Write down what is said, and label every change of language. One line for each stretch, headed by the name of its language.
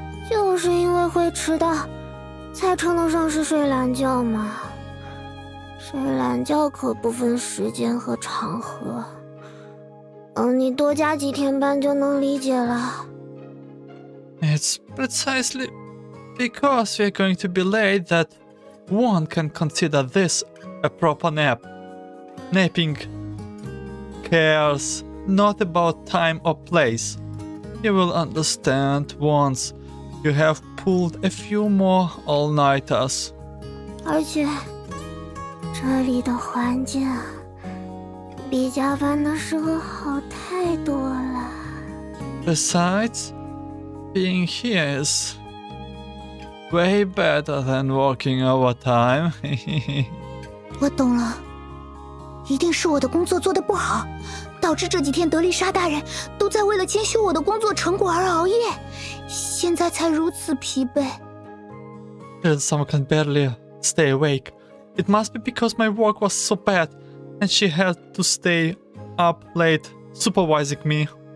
Chinese: 就是因为会迟到,才称得上是睡懒觉嘛。睡懒觉可不分时间和场合。
English: It's precisely because we're going to be late that one can consider this a proper nap. Napping cares not about time or place. You will understand once you have pulled a few more all-nighters.
Chinese: 而且这里的环境比加班的时候好太多了。
English: Besides, being here is way better than working overtime.
Chinese: 我懂了，一定是我的工作做得不好，导致这几天德丽莎大人都在为了监修我的工作成果而熬夜，现在才如此疲惫。
English: Some can barely stay awake. It must be because my work was so bad and she had to stay up late supervising me.